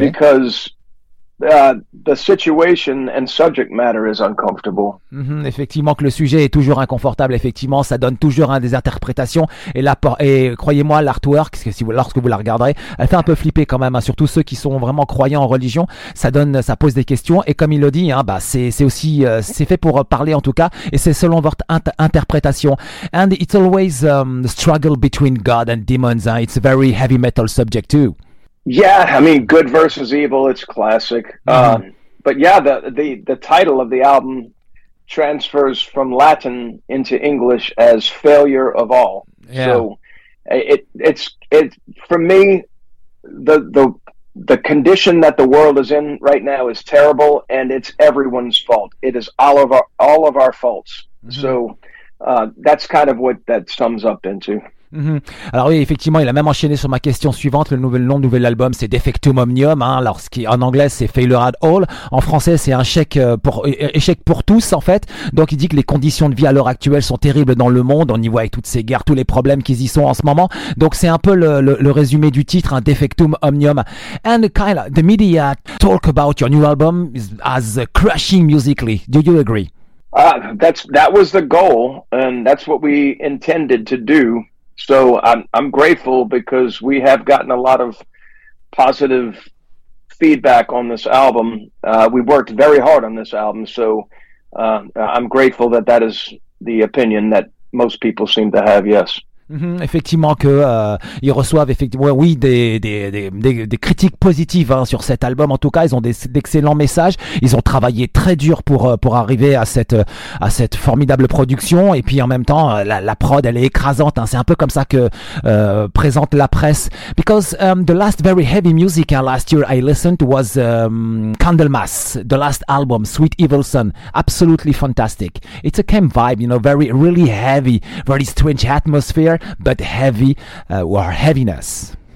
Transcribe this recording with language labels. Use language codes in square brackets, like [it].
[en] Because the situation and subject matter is uncomfortable. [fr] Mm-hmm. Effectivement, que le sujet est toujours inconfortable. Effectivement, ça donne toujours des interprétations. Et croyez-moi, l'artwork, lorsque vous la regarderez, elle fait un peu flipper quand même. Hein. Surtout ceux qui sont vraiment croyants en religion, ça pose des questions. Et comme il le dit, hein, bah, c'est aussi, c'est fait pour parler en tout cas. Et c'est selon votre interprétation. [en] And it's always the struggle between God and demons. Hein. It's a very heavy metal subject too. Yeah, I mean, good versus evil, it's classic. Mm-hmm. But yeah, the title of the album transfers from Latin into English as Failure of All. Yeah. So it's for me, the condition that the world is in right now is terrible, and it's everyone's fault. It is all of our faults. Mm-hmm. So that's kind of what that sums up into. Mm-hmm. [fr] Alors oui, effectivement, il a même enchaîné sur ma question suivante. Le nouvel album, c'est Defectum Omnium. Hein, alors, en anglais, c'est Failure at All. En français, c'est un échec pour tous, en fait. Donc, il dit que les conditions de vie à l'heure actuelle sont terribles dans le monde. On y voit avec toutes ces guerres, tous les problèmes qu'ils y sont en ce moment. Donc, c'est un peu le résumé du titre, hein, Defectum Omnium. [en] And Kyle, the media talk about your new album as crushing musically. Do you agree? That was the goal, and that's what we intended to do. So I'm grateful because we have gotten a lot of positive feedback on this album. We worked very hard on this album, so I'm grateful that is the opinion that most people seem to have, yes. [fr] Effectivement que ils reçoivent effectivement oui des critiques positives hein, sur cet album. En tout cas, ils ont d'excellents messages. Ils ont travaillé très dur pour arriver à cette formidable production. Et puis en même temps, la prod elle est écrasante. Hein. C'est un peu comme ça que présente la presse. [en] Because the last very heavy music last year I listened was Candlemas, the last album, Sweet Evil Son. Absolutely fantastic. It's a camp vibe, you know, very really heavy, very strange atmosphere. But heavy, or heaviness.